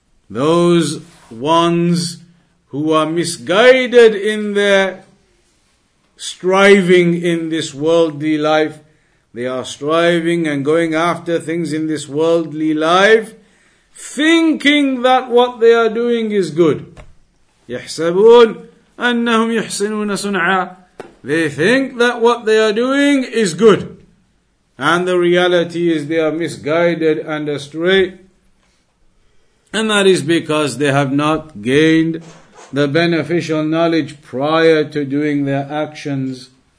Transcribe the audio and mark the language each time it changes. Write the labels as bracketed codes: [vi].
[en] Those ones who are misguided in their striving in this worldly life, they are striving and going after things in this worldly life, thinking that what they are doing is good. [ar] يحسبون أنهم يحسنون صنعا. [en] They think that what they are doing is good, and the reality is they are misguided and astray. And that is because they have not gained the beneficial knowledge prior to doing their actions.